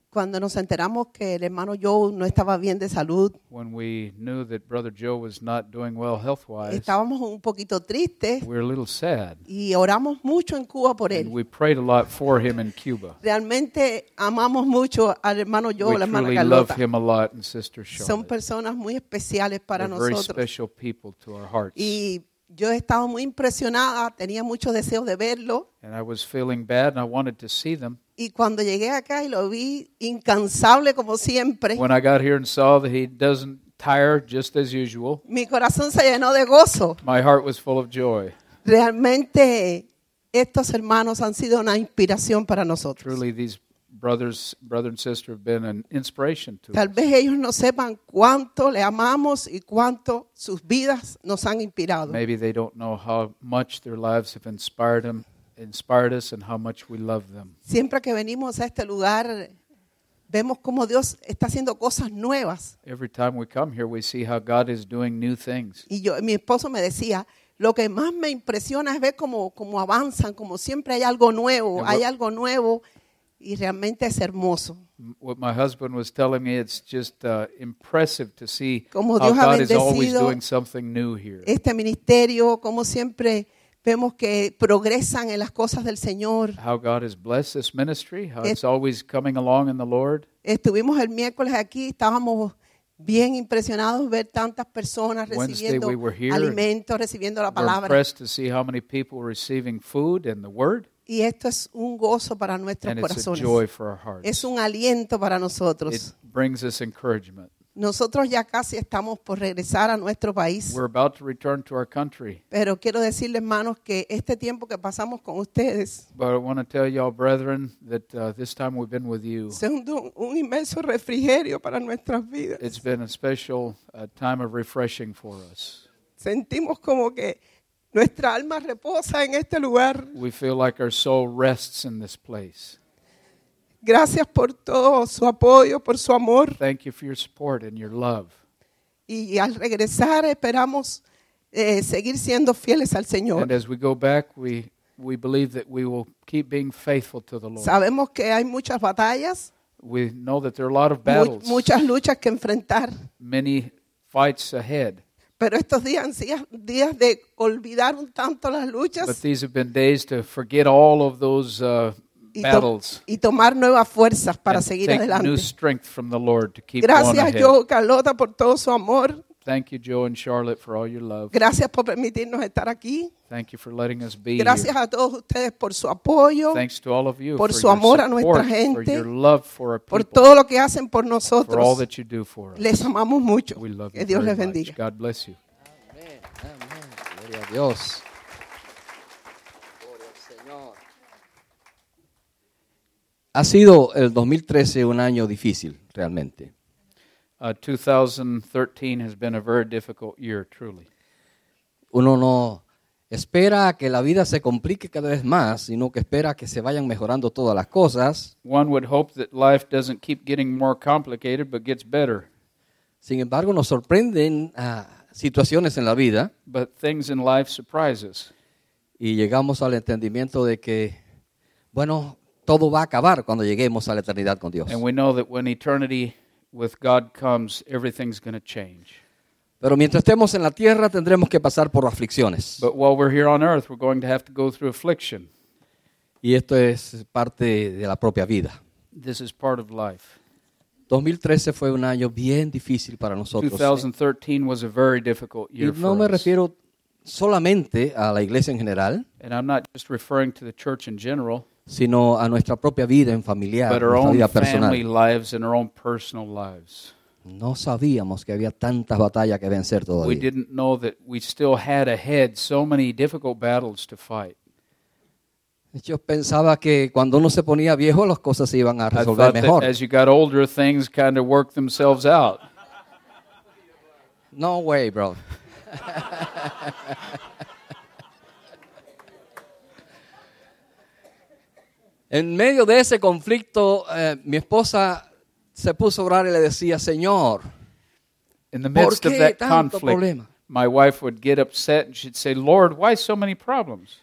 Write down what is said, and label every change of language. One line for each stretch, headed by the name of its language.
Spanish: Cuando nos enteramos que el hermano Joe no estaba bien de salud.
English: When we knew that Brother Joe was not doing well health-wise.
Spanish: Estábamos un poquito tristes.
English: We were a little sad.
Spanish: Y oramos mucho en Cuba por él.
English: And we prayed a lot for him in Cuba.
Spanish: Realmente amamos mucho al hermano Joe, la hermana Carlota.
English: We love him a lot and Sister Charlotte.
Spanish: Son personas muy especiales para
English: They're
Spanish: nosotros.
English: Very special people to our hearts.
Spanish: Y yo estaba muy impresionada, tenía mucho deseo de verlo.
English: And I was feeling bad and I wanted to see them.
Spanish: Y cuando llegué acá y lo vi incansable como siempre.
English: When I got here and saw that he doesn't tire just as usual.
Spanish: Mi corazón se llenó de gozo.
English: My heart was full of joy.
Spanish: Realmente estos hermanos han sido una inspiración para nosotros.
English: Truly these brother and sister have been an inspiration to us.
Spanish: Tal vez ellos no sepan cuánto le amamos y cuánto sus vidas nos han inspirado.
English: Maybe they don't know how much their lives have inspired them. Inspired us and how much we love them.
Spanish: Siempre que venimos a este lugar, vemos cómo Dios está haciendo cosas nuevas.
English: Every time we come here, we see how God is doing new things.
Spanish: Y yo, mi esposo me decía, lo que más me impresiona es ver cómo avanzan, como siempre hay algo nuevo, hay algo nuevo, y realmente es hermoso.
English: What my husband was telling me, it's just impressive to see
Spanish: como
English: how God is always doing something new here.
Spanish: Este ministerio, como siempre. Vemos que progresan en las cosas del Señor.
English: How God has blessed this ministry, how it's always coming along in the Lord.
Spanish: Estuvimos el miércoles aquí, estábamos bien impresionados ver tantas personas recibiendo alimentos, recibiendo la palabra.
English: We're impressed to see how many people were receiving food and the word.
Spanish: Y esto es un gozo para nuestros corazones.
English: It's a joy for our hearts.
Spanish: Es un aliento para nosotros.
English: It brings us encouragement.
Spanish: Nosotros ya casi estamos por regresar a nuestro país.
English: We're about to return to our country.
Spanish: Pero quiero decirles, hermanos, que este tiempo que pasamos con ustedes,
English: but I want to tell y'all, brethren, that this time we've been with you,
Spanish: un inmenso refrigerio para nuestras vidas.
English: It's been a special time of refreshing for us.
Spanish: Sentimos como que nuestra alma reposa en este lugar.
English: We feel like our soul rests in this place.
Spanish: Gracias por todo su apoyo, por su amor.
English: Thank you for your support and your love.
Spanish: Y al regresar esperamos seguir siendo fieles al Señor.
English: And as we go back, we believe that we will keep being faithful to the Lord.
Spanish: Sabemos que hay muchas batallas.
English: We know that there are a lot of battles.
Spanish: Muchas luchas que enfrentar.
English: Many fights ahead.
Spanish: Pero estos días han sido días de olvidar un tanto las luchas.
English: But these have been days to forget all of those battles,
Spanish: y tomar nuevas fuerzas para seguir adelante.
English: New strength from the Lord to keep.
Spanish: Gracias,
English: going ahead.
Spanish: Joe, Carlota, por todo su amor.
English: Thank you, Joe and Charlotte, for all your love.
Spanish: Gracias por permitirnos estar aquí.
English: Thank you for letting us be.
Spanish: Gracias
English: here.
Spanish: A todos ustedes por su apoyo.
English: Thanks to all of you
Spanish: por su amor a nuestra gente.
English: For your love for our people.
Spanish: Por todo lo que hacen por nosotros.
English: For all that you do for us.
Spanish: Les amamos mucho.
English: We love
Spanish: que
English: you
Spanish: Dios
English: very
Spanish: les bendiga.
English: Much. God bless you.
Spanish: Amén. Gloria a Dios. Ha sido el 2013 un año difícil, realmente.
English: 2013 has been a very difficult year, truly.
Spanish: Uno no espera que la vida se complique cada vez más, sino que espera que se vayan mejorando todas las cosas.
English: One would hope that life doesn't keep getting more complicated, but gets better.
Spanish: Sin embargo, nos sorprenden situaciones en la vida.
English: But things in life surprise us.
Spanish: Y llegamos al entendimiento de que, bueno, todo va a acabar cuando lleguemos a la eternidad con Dios.
English: And we know that when eternity with God comes, everything's going to change.
Spanish: Pero mientras estemos en la tierra, tendremos que pasar por aflicciones.
English: But while we're here on earth, we're going to have to go through affliction.
Spanish: Y esto es parte de la propia vida.
English: This is part of life.
Spanish: 2013 fue un año bien difícil para nosotros.
English: 2013 was a very difficult year for us.
Spanish: Y no me refiero solamente a la iglesia en general.
English: And I'm not just referring to the church in general.
Spanish: Sino a nuestra propia vida en familiar, nuestra vida personal.
English: Lives and our own personal lives.
Spanish: No sabíamos que había tantas batallas que vencer todavía.
English: We didn't know that we still had ahead so many difficult battles to fight.
Spanish: Yo pensaba que cuando uno se ponía viejo, las cosas se iban a resolver mejor.
English: As you got older, things kind of worked themselves out. No way, bro.
Spanish: En medio de ese conflicto, mi esposa se puso a orar y le decía, Señor,
English: in the midst of that conflict,
Spanish: problema?
English: My wife would get upset and she'd say, Lord, why so many problems?